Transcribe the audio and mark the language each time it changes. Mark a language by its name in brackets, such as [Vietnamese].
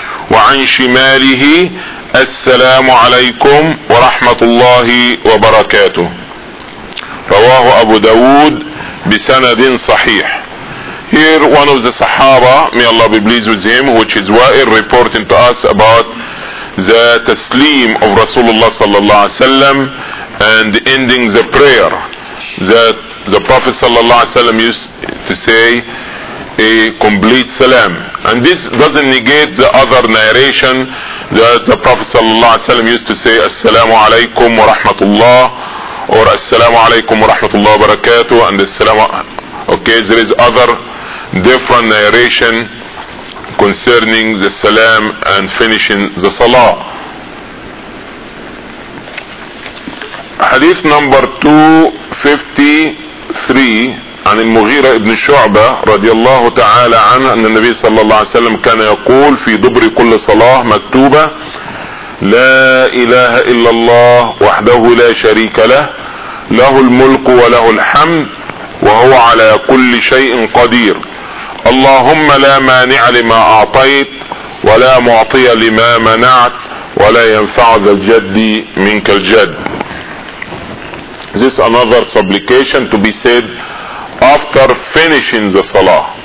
[Arabic] وعن شماله السلام عليكم ورحمة الله وبركاته رواه أبو داود بسند صحيح. [English] Here one of the Sahaba, may Allah be pleased with him, which is Wa'il, reporting to us about the Taslim of Rasulullah sallallahu alayhi wa sallam and ending the prayer that the Prophet sallallahu alayhi wa sallam used to say a complete salam. And this doesn't negate the other narration that the Prophet sallallahu alayhi wa sallam used to say Assalamu alaykum wa rahmatullah, or Assalamu alaykum wa rahmatullah wa barakatuh, and Assalamu. Okay, there is other different narration concerning the salam and finishing the salah. Hadith number 253 [Arabic] عن المغيرة ابن شعبة رضي الله تعالى عنه أن النبي صلى الله عليه وسلم كان يقول في دبر كل صلاة مكتوبة لا إله إلا الله وحده لا شريك له له الملك وله الحمد وهو على كل شيء قدير اللهم لا مانع لما أعطيت ولا معطي لما منعت ولا ينفع ذا الجد منك الجد. [English] This another supplication to be said after finishing the salah.